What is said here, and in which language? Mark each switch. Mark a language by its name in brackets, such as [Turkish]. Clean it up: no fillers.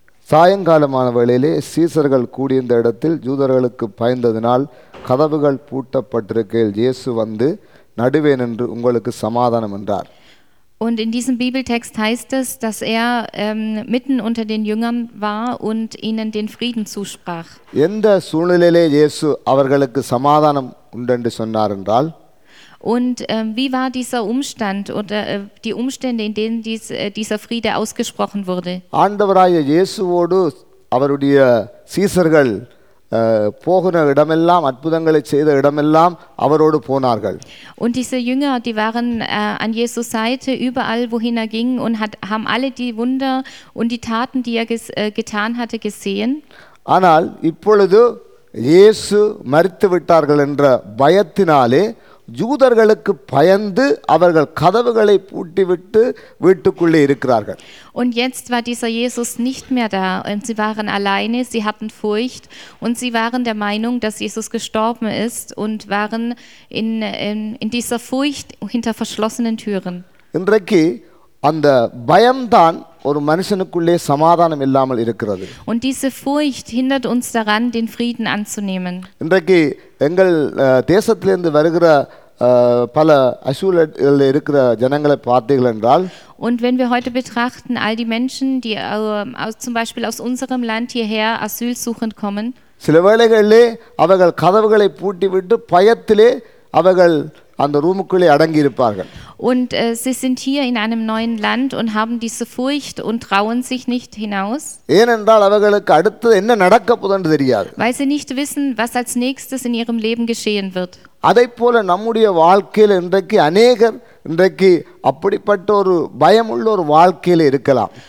[Tamil] சாயங்காலமான வேளையிலே சீசர்கள் கூடியிருந்த இடத்தில் யூதர்களுக்கு பயந்ததினால் கதவுகள் பூட்டப்பட்டிருக்கையில் இயேசு வந்து நடுவே நின்று உங்களுக்கு சமாதானம் என்றார். [German] Und in diesem Bibeltext heißt es, dass er mitten unter den Jüngern war und ihnen den Frieden zusprach. [Tamil] எந்த சூழ்நிலையிலே இயேசு அவர்களுக்கு சமாதானம் உண்டு என்று சொன்னார் என்றால் [German] Und wie war dieser Umstand oder die Umstände, in denen dieser Friede ausgesprochen wurde? [Tamil] ஆண்டவராகிய இயேசுவோடு அவருடைய சீசர்கள் போகுன இடமெல்லாம் அற்புதங்களை செய்த இடமெல்லாம் அவரோடு போனார்கள். [German] Und diese Jünger, die waren an Jesu Seite überall, wohin ging und haben alle die Wunder und die Taten, die getan hatte, gesehen. [Tamil] ஆனால் இப்பொழுது இயேசு மரித்து விட்டார்கள் என்ற பயத்தினாலே யூதர்களுக்கு பயந்து அவர்கள் கதவுகளை பூட்டிவிட்டு வீட்டுக்குள்ளே இருக்கிறார்கள். [German] Und jetzt war dieser Jesus nicht mehr da und sie waren alleine, sie hatten Furcht und sie waren der Meinung, dass Jesus gestorben ist und waren in dieser Furcht hinter verschlossenen Türen. [Tamil] இன்றைக்கு அந்த பயம்தான் ஒரு மனுஷனுக்குள்ளே சமாதானம் இல்லாமல் இருக்கிறது. [German] Und diese Furcht hindert uns daran, den Frieden anzunehmen. [Tamil] இன்றைக்கு எங்கள் தேசத்திலிருந்து வருகிற பல அசூலர்கள் இருக்கிற ஜனங்களை பார்த்தீர்கள் என்றால் [German] Und wenn wir heute betrachten all die Menschen, die zum Beispiel aus unserem Land hierher Asyl suchend kommen. [Tamil] சில வேளைகளிலே அவர்கள் கதவுகளை பூட்டிவிட்டு பயத்திலே அவர்கள் அந்த ரூமுக்குள்ளே அடங்கி இருப்பார்கள். [German] Und sie sind hier in einem neuen Land und haben diese Furcht und trauen sich nicht hinaus. [Tamil] ஏனென்றால் அவர்களுக்கு அடுத்து என்ன நடக்க போதென்று தெரியாது. [German] Weil sie nicht wissen, was als nächstes in ihrem Leben geschehen wird. [Tamil] அதைப்போல நம்முடைய வாழ்க்கையில் இன்றைக்கு அநேகர் இன்றைக்கு அப்படிப்பட்ட ஒரு பயமுள்ள ஒரு வாழ்க்கையில் இருக்கலாம்.